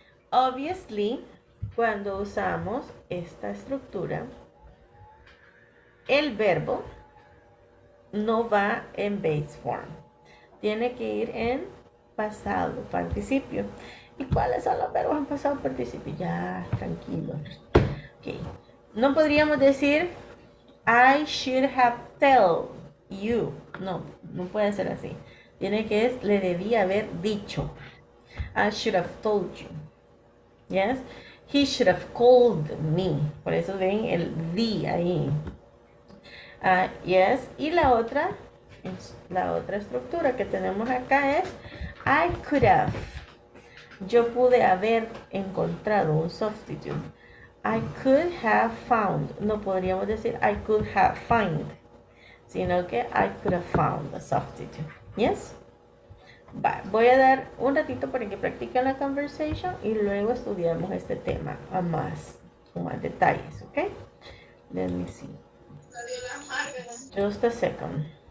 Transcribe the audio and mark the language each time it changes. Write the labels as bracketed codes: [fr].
[es] Obviously, cuando usamos esta estructura, el verbo no va en base form. Tiene que ir en pasado, participio. ¿Y cuáles son los verbos en pasado, participio? Ya, tranquilo. Okay. No podríamos decir, [en] I should have told you. [es] No, no puede ser así. Tiene que ser, le debía haber dicho. [en] I should have told you. Yes? He should have called me. [es] Por eso ven el the ahí. Yes. Y la otra, estructura que tenemos acá es [en] I could have. [es] Yo pude haber encontrado un substitute. [en] I could have found. [es] No podríamos decir [en] I could have find, [es] sino que [en] I could have found a substitute. Yes. [es] Voy a dar un ratito para que practiquen la conversation y luego estudiamos este tema a más, con más detalles, ¿ok? [en] Let me see. Just a second.